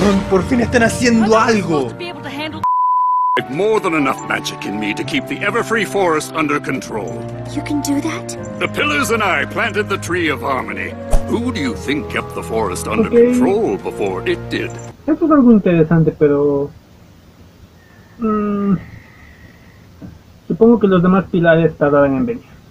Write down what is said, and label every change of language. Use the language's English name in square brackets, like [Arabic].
[Spanish] ¡Por fin están haciendo algo! [English] More than enough magic in me to keep the Everfree Forest under control. You can do that? The Pillars and I planted the Tree of Harmony. Who do you think kept the forest under control before it did? [Spanish] Esto es algo interesante, pero... supongo que los demás pilares tardarán en venir.